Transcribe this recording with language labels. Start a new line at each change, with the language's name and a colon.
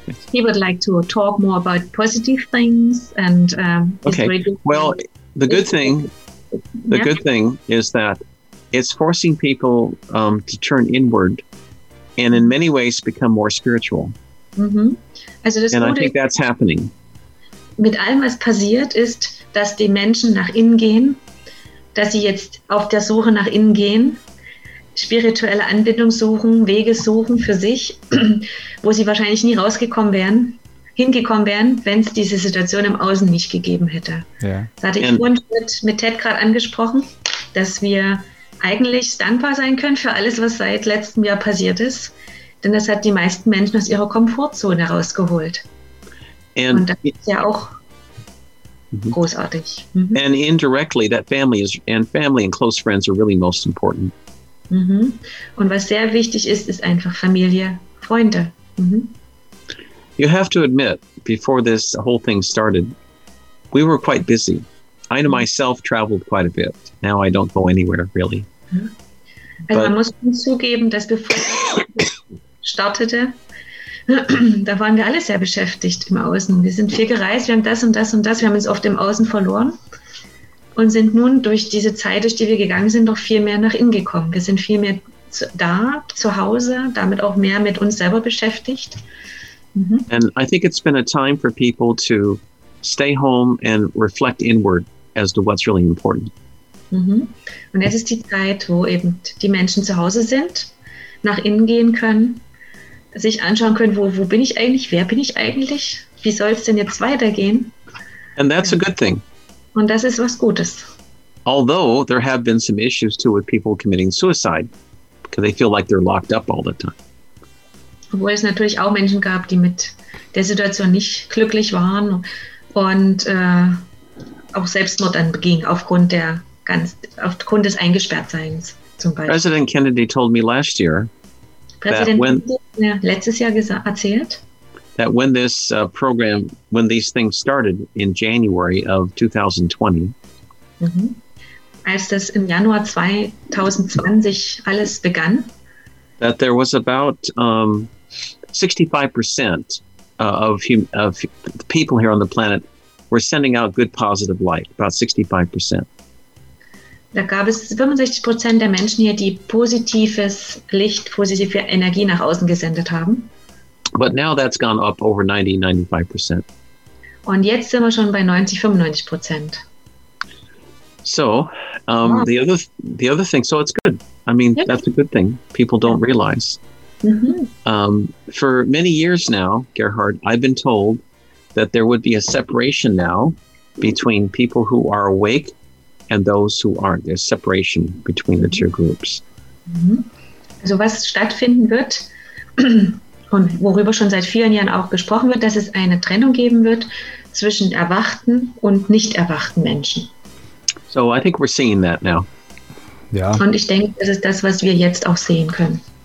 English: He would like to talk more about positive things and Good thing is that it's forcing people to turn inward and in many ways become more spiritual.
German: Mm-hmm. Also das
English: and
German: Gute,
English: I think that's happening.
German: Mit allem, was passiert ist, dass die Menschen nach innen gehen, dass sie jetzt auf der Suche nach innen gehen, spirituelle Anbindung suchen, Wege suchen für sich, wo sie wahrscheinlich nie hingekommen wären, wenn es diese Situation im Außen nicht gegeben hätte.
English: Yeah.
German: Das hatte ich vorhin mit Ted gerade angesprochen, dass wir eigentlich dankbar sein können für alles, was seit letztem Jahr passiert ist, denn das hat die meisten Menschen aus ihrer Komfortzone rausgeholt. Und das ist ja auch großartig. Mm-hmm.
English: And indirectly, that family and close friends are really most important. Mm-hmm.
German: Und was sehr wichtig ist einfach Familie, Freunde. Mm-hmm.
English: You have to admit, before this whole thing started, we were quite busy. I myself traveled quite a bit. Now I don't go anywhere, really.
German: Also man muss zugeben, dass bevor es startete, da waren wir alle sehr beschäftigt im Außen. Wir sind viel gereist, wir haben das und das und das. Wir haben uns oft im Außen verloren und sind nun durch diese Zeit, durch die wir gegangen sind, noch viel mehr nach innen gekommen. Wir sind viel mehr zu Hause, damit auch mehr mit uns selber beschäftigt. Mm-hmm.
English: And I think it's been a time for people to stay home and reflect inward as to what's really important. Mm-hmm.
German: Und jetzt ist die Zeit, wo eben die Menschen zu Hause sind, nach innen gehen können, sich anschauen können, wo bin ich eigentlich, wer bin ich eigentlich, wie soll es denn jetzt weitergehen?
English: And that's a good thing.
German: Und das ist was Gutes.
English: Although there have been some issues too with people committing suicide, because they feel like they're locked up all the time.
German: Obwohl es natürlich auch Menschen gab, die mit der Situation nicht glücklich waren und auch Selbstmord dann beging aufgrund des Eingesperrtseins. zum Beispiel.
English: President Kennedy told me last year.
German: Präsident Kennedy hat mir letztes Jahr erzählt.
English: That when this program, when these things started in January of 2020.
German: Mm-hmm. Als das im Januar 2020 alles begann.
English: That there was about 65% of the people here on the planet were sending out good positive light, about 65%.
German: Da gab es 65% der Menschen hier, die positives Licht, positive Energie nach außen gesendet haben.
English: But now that's gone up over 90-95%.
German: Und jetzt sind wir schon bei 90-95%.
English: So, the other thing, so it's good. I mean, yeah. That's a good thing. People don't realize. Mm-hmm. For many years now, Gerhard, I've been told that there would be a separation now between people who are awake and those who aren't. There's separation between the two groups. Mm-hmm.
German: Also was stattfinden wird, und worüber schon seit vielen Jahren auch gesprochen wird, dass es eine Trennung geben wird zwischen erwachten und nicht erwachten Menschen.
English: So I think we're seeing that now.
German: Ja. Und ich denke, das ist das, was wir jetzt auch sehen können.